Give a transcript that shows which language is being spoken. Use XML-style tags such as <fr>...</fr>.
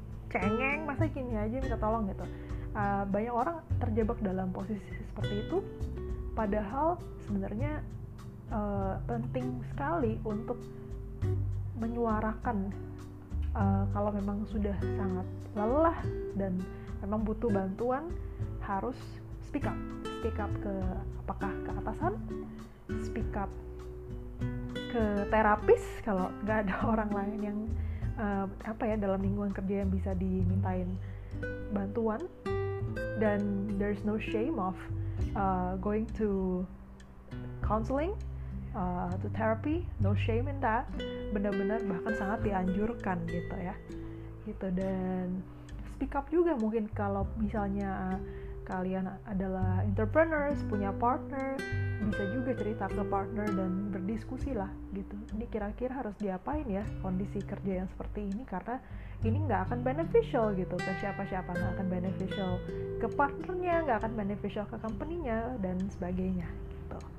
<id>cengeng, masa gini aja minta tolong gitu. Banyak orang terjebak dalam posisi seperti itu, padahal sebenarnya penting sekali untuk menyuarakan kalau memang sudah sangat lelah dan memang butuh bantuan, harus speak up. Speak up ke apakah ke atasan, speak up ke terapis kalau nggak ada orang lain yang dalam lingkungan kerja yang bisa dimintain bantuan.</id> <en>Dan there's no shame of going to counseling, to therapy, no shame in that.</en> <id>Benar-benar bahkan sangat dianjurkan gitu ya. Gitu, dan speak up juga mungkin kalau misalnya kalian adalah entrepreneurs, punya partner, bisa juga cerita ke partner dan berdiskusi lah gitu. Ini kira-kira harus diapain ya kondisi kerja yang seperti ini, karena ini nggak akan beneficial gitu ke siapa-siapa, nggak akan beneficial ke partnernya, nggak akan beneficial ke company-nya dan sebagainya gitu.</id>